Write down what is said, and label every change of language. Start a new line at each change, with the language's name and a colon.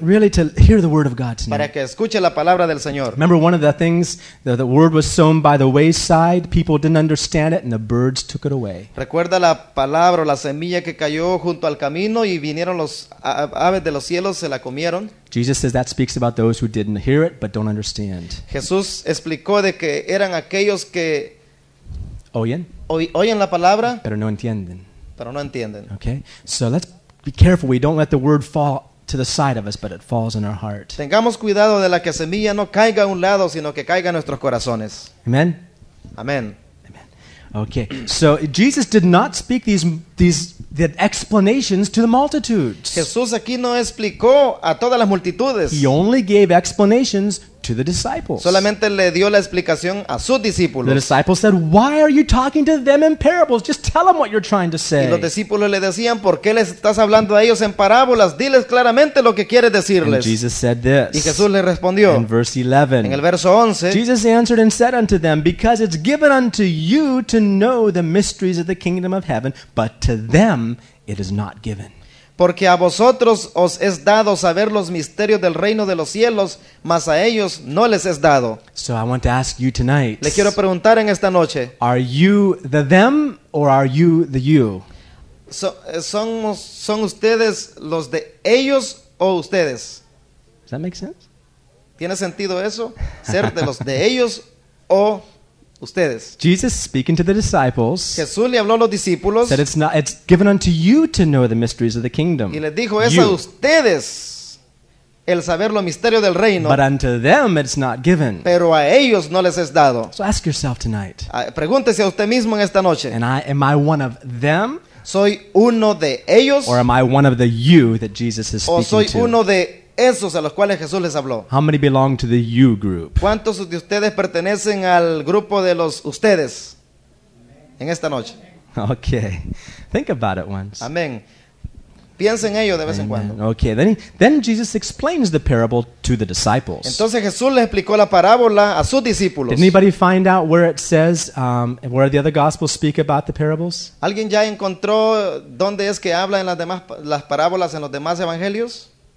English: Really, to hear the Word of God tonight.
Spanish: Para que escuche la palabra del Señor.
English: Remember, one of the things that the Word was sown by the wayside, people didn't understand it, and the birds took it away.
Spanish: Recuerda la palabra, la semilla que cayó junto al camino, y vinieron los aves de los cielos, se la comieron.
English: Jesus says that speaks about those who didn't hear it but don't understand.
Spanish: Jesús explicó de que eran aquellos que oyen la palabra, pero no entienden. Pero no entienden.
English: Okay, so let's be careful we don't let the word fall to the side of us, but it falls in our heart.
Spanish: Tengamos cuidado de la que semilla no caiga a un lado, sino que caiga en nuestros corazones.
English: Amen. Amen. Amen. Okay. So Jesus did not speak the explanations to the multitudes.
Spanish: Jesús aquí no explicó a todas las multitudes.
English: He only gave explanations to the disciples.
Spanish: Solamente le dio la explicación a sus discípulos.
English: The disciples said, "Why are you talking to them in parables? Just tell them what you're trying to say."
Spanish: Y los discípulos le decían, "¿Por qué les estás hablando a ellos en parábolas? Diles claramente lo que quieres decirles."
English: And Jesus said this.
Spanish: Y Jesús le respondió.
English: In verse 11.
Spanish: En el verso 11.
English: Jesus answered and said unto them, "Because it's given unto you to know the mysteries of the kingdom of heaven, but to them it is not given."
Spanish: Porque a vosotros os es dado saber los misterios del reino de los cielos, mas a ellos no les es dado.
English: So I want to ask you tonight.
Spanish: Le quiero preguntar en esta noche.
English: Are you the them or are you the you?
Spanish: ¿Son ustedes los de ellos o ustedes?
English: Does that make sense?
Spanish: ¿Tiene sentido eso? ¿Ser de los de ellos o ustedes?
English: Jesus speaking to the disciples.
Spanish: Jesús le habló a los discípulos.
English: Said it's given unto you to know the mysteries of the kingdom.
Spanish: Y les dijo eso a ustedes, el saber los misterios del reino.
English: But unto them it's not given.
Spanish: Pero a ellos no les es dado.
English: So ask yourself tonight.
Spanish: Pregúntese a usted mismo en esta noche.
English: Am I one of them?
Spanish: Soy uno de ellos.
English: Or am I one of the you that Jesus is speaking to?
Spanish: O soy uno de esos a los cuales Jesús les habló.
English: How many belong to the you group?
Spanish: ¿Cuántos de ustedes pertenecen al grupo de los ustedes en esta noche?
English: Okay. Think about it once.
Spanish: Amén. Piensen en ello de vez en cuando.
English: Okay. Then Jesus explains the parable to the disciples.
Spanish: Entonces Jesús les explicó la parábola a sus discípulos.
English: Did anybody find out where it says where the other gospels speak about the parables?
Spanish: ¿Alguien ya encontró dónde es que habla en las parábolas en los demás evangelios?